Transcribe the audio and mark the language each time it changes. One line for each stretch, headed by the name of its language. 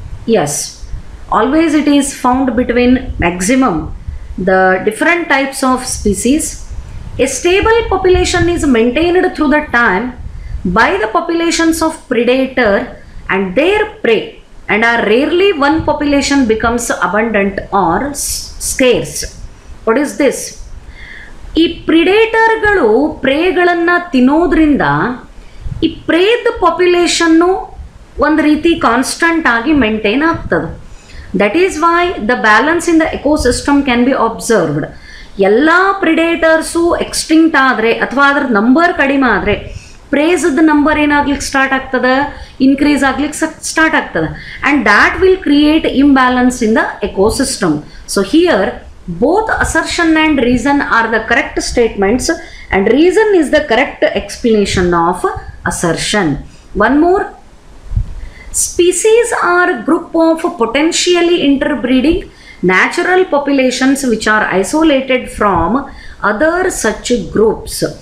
English: Yes, always it is found between maximum the different types of species. A stable population is maintained through the time by the populations of predator and their prey, and are rarely one population becomes abundant or scarce. What is this?
Kannada: ಈ ಪ್ರಿಡೇಟರ್ಗಳು ಪ್ರೇಗಳನ್ನು ತಿನ್ನೋದ್ರಿಂದ ಈ ಪ್ರೇದ population ಒಂದು ರೀತಿ constant ಆಗಿ maintain ಆಗ್ತದೆ.
English: That is why the balance in the ecosystem can be observed.
Kannada: ಎಲ್ಲ ಪ್ರಿಡೇಟರ್ಸು extinct ಆದರೆ ಅಥವಾ ಅದ್ರ ನಂಬರ್ ಕಡಿಮೆ ಆದರೆ ಪ್ರೇಸದ ನಂಬರ್ ಏನಾಗ್ಲಿಕ್ಕೆ ಸ್ಟಾರ್ಟ್ ಆಗ್ತದೆ, ಇನ್ಕ್ರೀಸ್ ಆಗ್ಲಿಕ್ಕೆ ಸ್ಟಾರ್ಟ್ ಆಗ್ತದೆ,
English: And that will create imbalance in the ecosystem. So here both assertion and reason are the correct statements, and reason is the correct explanation of assertion. One more, species are group of potentially interbreeding natural populations which are isolated from other such groups.